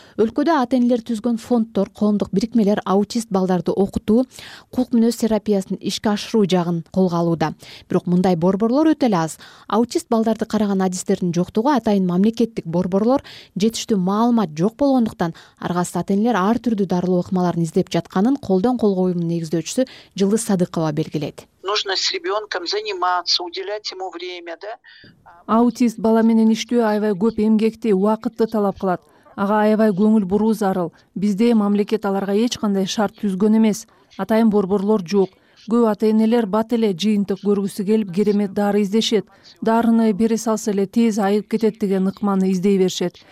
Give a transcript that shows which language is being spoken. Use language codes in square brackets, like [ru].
[ky] Өлкөдө ата-энелер түзгөн фонддор, коомдук бирикмелер аутист балдарды окутуу, кулук мүнөз терапиясын ишке ашыруу жагын колго алууда. Бирок мындай борборлор өтө эле аз. Аутист балдарды караган адистердин жоктугу, атайын мамлекеттик борборлор, жетиштүү маалымат жок болгондуктан аргасыз ата-энелер ар түрдүү дарылоо ыкмаларын издеп жатканын колдон колго уюмунун негиздөөчүсү Жылдыз Садыкова белгилейт. [ru] Нужно с ребенком заниматься, уделять ему время, да? [ky] Аутист бала менен иштөө аябай көп эмгекти, убакытты талап кылат. Ага аябай көңүл буруу зарыл. Бизде мамлекет аларга эч кандай шарт түзгөн эмес. Атайын борборлор жок. Көп ата-энелер бат эле жыйынтык көргүсү келип, керемет дары издешет. Дарыны бере салса эле тез айып кетет деген ыкманы издей беришет.